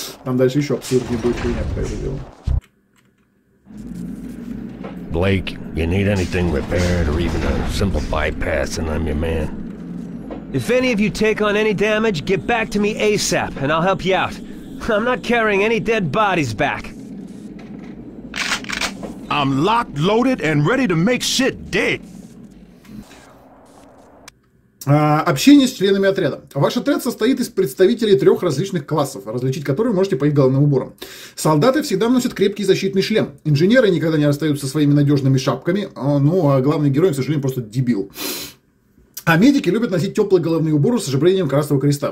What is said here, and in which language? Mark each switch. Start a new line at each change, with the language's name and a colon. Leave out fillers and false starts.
Russian: Там дальше еще абсурд не будет, хуйня, по этому делу.
English: Blake, you need anything repaired or even a simple bypass, and I'm your man. If any of you take on any damage, get back to me ASAP, and I'll help you out. I'm not carrying any dead bodies back. I'm locked, loaded, and ready to make shit dead.
Russian: Общение с членами отряда. Ваш отряд состоит из представителей трех различных классов, различить которые вы можете по их головным уборам. Солдаты всегда носят крепкий защитный шлем. Инженеры никогда не расстаются со своими надежными шапками. Ну, а главный герой, к сожалению, просто дебил. А медики любят носить теплые головные уборы с ожерельем Красного Креста.